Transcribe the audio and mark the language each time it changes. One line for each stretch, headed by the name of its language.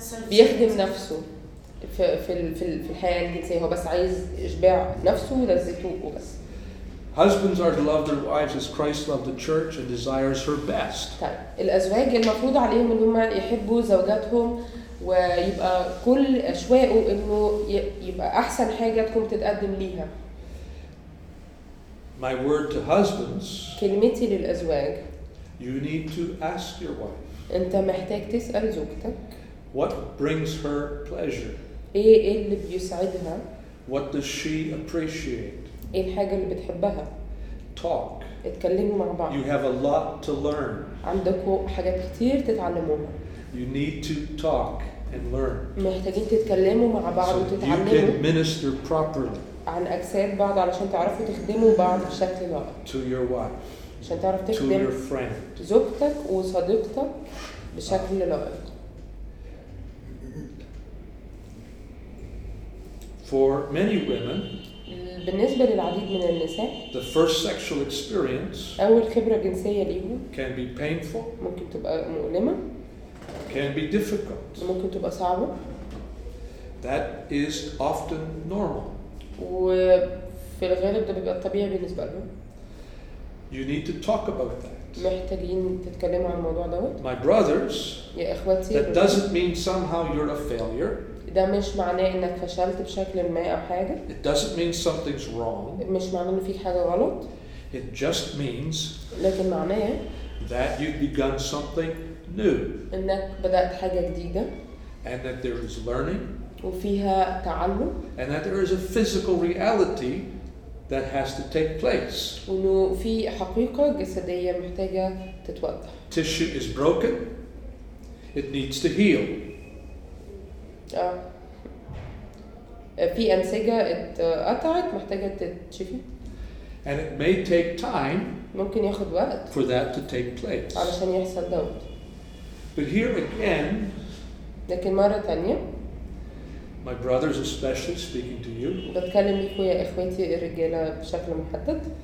Arabic: بيخدم نفسه في الحياة الجنسية هو بس عايز إشباع نفسه ولذته وبس.
English: Husbands are to love their wives as Christ loved the church and desires her best.
Arabic: الأزواج المفروض عليهم إن هم يحبوا زوجاتهم ويبقى كل أشواقه إنه يبقى أحسن حاجة تكون تتقدم ليها.
English: My word to husbands.
Arabic: كلمتي للأزواج.
English: You need to ask your wife.
Arabic: أنت محتاج تسأل زوجتك.
English: What brings her pleasure?
Arabic: إيه اللي بيسعدها؟
English: What does she appreciate?
Arabic: إيه الحاجة اللي بتحبها؟
English: Talk.
Arabic: اتكلموا مع بعض.
English: You have a lot to learn.
Arabic: عندكوا حاجات كتير تتعلموها.
English: You need to talk and learn.
Arabic: محتاجين تتكلموا مع بعض وتتعلموا.
English: So you can minister properly.
Arabic: عن أجساد بعض علشان تعرفوا تخدموا بعض بشكل لائق.
English: To your wife.
Arabic: عشان تعرف تخدم زوجتك وصديقتك بشكل لائق.
English: For many women,
Arabic: بالنسبة للعديد من النساء,
English: the first sexual experience,
Arabic: أول خبرة جنسية ليهم,
English: can be painful,
Arabic: ممكن تبقى مؤلمة,
English: can be difficult,
Arabic: ممكن تبقى صعبة.
English: That is often normal.
Arabic: وفي الغالب ده بيبقى طبيعي بالنسبة لهم.
English: You need to talk about that.
Arabic: محتاجين تتكلموا عن الموضوع دوت.
English: My brothers.
Arabic: يا إخواتي.
English: That doesn't mean somehow you're a failure.
Arabic: ده مش معناه إنك فشلت بشكل ما أو حاجة.
English: It doesn't mean something's wrong.
Arabic: مش معناه إن في حاجة غلط.
English: It just means.
Arabic: لكن معناه.
English: That you've begun something new.
Arabic: إنك بدأت حاجة جديدة.
English: And that there is learning.
Arabic: وفيها تعلم.
English: And that there is a physical reality. That has to take place.
Arabic: إنه في حقيقة جسدية محتاجة تتوضح.
English: Tissue is broken. It needs to heal.
Arabic: في أنسجة اتقطعت محتاجة تتشفي.
English: And it may take time
Arabic: ممكن ياخد وقت
English: for that to take place.
Arabic: علشان يحصل دوت.
English: But here again,
Arabic: لكن مرة تانية,
English: my brothers especially speaking to you,
Arabic: بتكلم ليكوا يا إخواتي الرجالة بشكل محدد.